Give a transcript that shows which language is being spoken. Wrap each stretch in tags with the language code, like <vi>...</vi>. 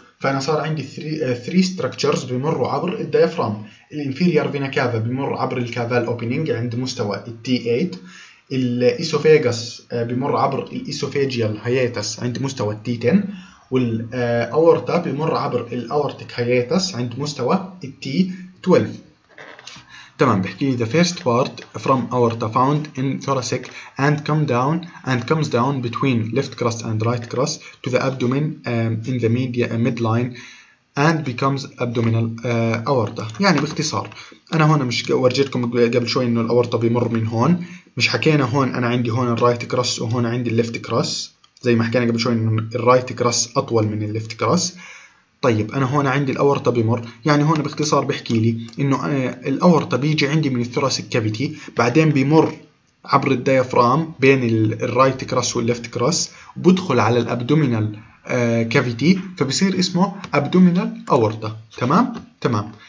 <ar>فانا صار عندي 3 ستراكشرز بمروا عبر الديافرام، الانفيريور فينا كافا بمر عبر الكافال اوبننج عند مستوى الدي 8، الإسوفيجس بمر عبر الإسوفيجيال هياتس عند مستوى الـ T10، والأورتا بمر عبر الأورتك هياتس عند مستوى الـ T12. تمام، بحكي لي</ar> <en>the first part from aorta found in thoracic and comes down between left crest and right crest to the abdomen in the midline and becomes abdominal aorta.</en> <ar>يعني باختصار أنا هون مش ورجيتكم قبل شوي إنه الأورتا بمر من هون، مش حكينا هون انا عندي هون الرايت كراس وهون عندي الليفت كراس زي ما حكينا قبل شوي ان الرايت كراس اطول من الليفت كراس. طيب انا هون عندي الاورطة بمر، يعني هون باختصار بحكي لي انه الاورطة بيجي عندي من الثراسيك كافيتي بعدين بمر عبر الديافرام بين الرايت كراس والليفت كراس وبدخل على الابدومينال كافيتي فبصير اسمه ابدومينال اورطة. تمام تمام.</ar>